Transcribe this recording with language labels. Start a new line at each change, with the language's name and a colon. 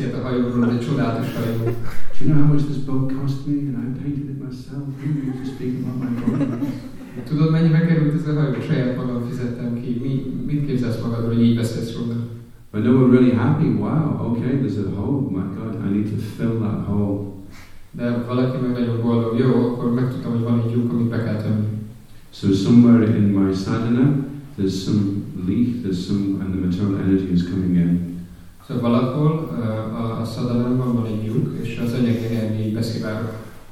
English: Do you know how much this boat cost me and I painted it myself? Who are you to speak about my boat?
Hungarian: Tudod, mennyi megkerült ez a hajó? Saját magam fizettem ki. Mit képzelsz magadról, hogy így beszélsz róla?
English: But no, we're really happy. Wow, okay, there's a hole. My God, I need to fill that hole.
Hungarian: De valaki meg nagyon boldog. Jó, akkor megtudtam, hogy van egy lyuk, amit be kell tömni.
English: So somewhere in my sadhana, there's some leak, and the material energy is coming in.
Hungarian: So valahol a sadhanában van egy lyuk, és az anyagi energia így beszivárog.